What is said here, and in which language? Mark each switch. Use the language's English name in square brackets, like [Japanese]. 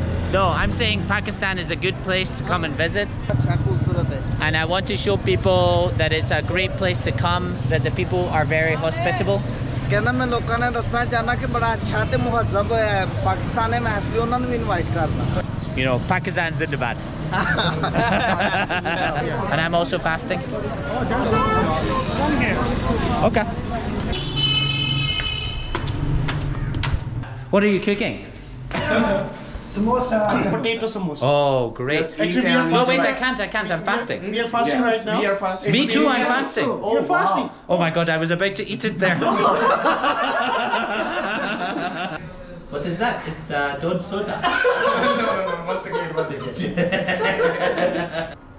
[English] No, I'm saying Pakistan is a good place to come and visit. And I want to show people that it's a great place to come, that the people are very hospitable. [Punjabi] ਕਹਿੰਦਾ ਮੈਂ ਲੋਕਾਂ ਨੇ ਦੱਸਣਾ ਚਾਹਨਾ ਕਿ ਬੜਾ ਅੱਛਾ ਤੇ ਮੁਹੱਜ਼ਬ ਹੈ ਪਾਕਿਸਤਾਨ ਨੇ ਮੈਂ ਇਸ ਲਈ ਉਹਨਾਂ ਨੂੰ ਵੀ ਇਨਵਾਈਟ ਕਰਦਾ [English] You know Pakistan is in the bad and am also fasting okay what are you cooking Samosa. Potato samosa. Oh, great. No, wait, I can't. I'm fasting. We are fasting right now. We are fasting. Me too, I'm fasting. Oh, you're fasting. Wow. Oh my god, I was about to eat it there. What is that? It's toad soda.